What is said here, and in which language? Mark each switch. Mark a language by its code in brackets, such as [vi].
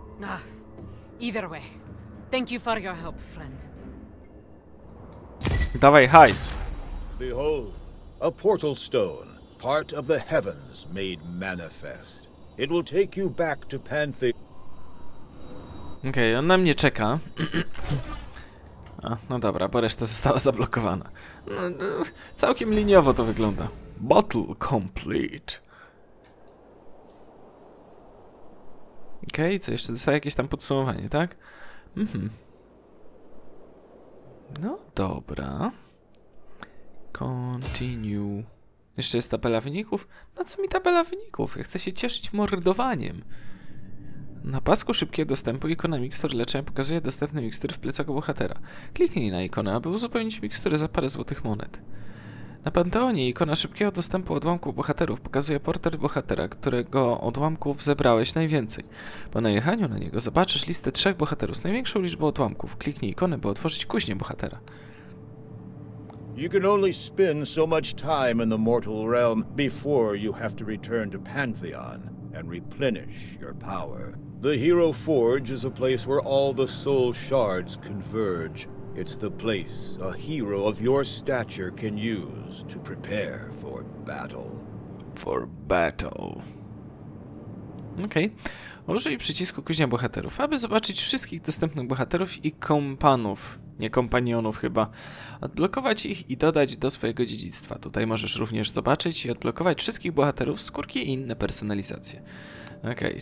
[en] Ah, either way. Thank you for your help, friend. [pl] Dawaj, hajs. [en] Behold, a portal stone. Part of the heavens made manifest. It will take you back to Panthe. [pl] Okej, on na mnie czeka. A, no dobra, bo reszta została zablokowana. No, całkiem liniowo to wygląda. [en] Battle complete. [pl] Okej, co jeszcze? Dostaję jakieś tam podsumowanie, tak? No dobra. [en] Continue. [pl] Jeszcze jest tabela wyników? Na co mi tabela wyników? Ja chcę się cieszyć mordowaniem. Na pasku szybkiego dostępu ikona mikstur leczenia pokazuje dostępne mikstury w plecaku bohatera. Kliknij na ikonę, aby uzupełnić mikstury za parę złotych monet. Na Panteonie ikona szybkiego dostępu odłamków bohaterów pokazuje portret bohatera, którego odłamków zebrałeś najwięcej. Po najechaniu na niego zobaczysz listę trzech bohaterów z największą liczbą odłamków. Kliknij ikonę, by otworzyć kuźnię bohatera. [en] You can only spend so much time in the mortal realm before you have to return to Pantheon and replenish your power. The Hero Forge is a place where all the soul shards converge. It's the place a hero of your stature can use to prepare for battle. For battle. Okej. Okay. [pl] Użyj przycisku kuźnia bohaterów, aby zobaczyć wszystkich dostępnych bohaterów i kompanów. Nie kompanionów chyba. Odblokować ich i dodać do swojego dziedzictwa. Tutaj możesz również zobaczyć i odblokować wszystkich bohaterów, skórki i inne personalizacje. Okej, okay.